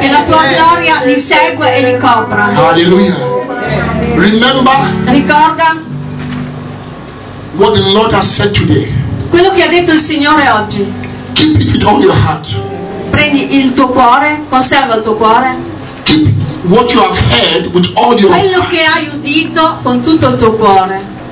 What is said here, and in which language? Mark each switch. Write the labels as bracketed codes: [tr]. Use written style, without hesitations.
[it] Che la tua gloria li segue e li copra. [en] Hallelujah. Remember. [it] Ricorda. [en] What the Lord has said today. [it] Quello che ha detto il Signore oggi. [en] Keep it with all your heart. [it] Prendi il tuo cuore, conserva il tuo cuore. [en] Keep what you have heard with all your heart. [it] Quello che hai udito con tutto il tuo cuore.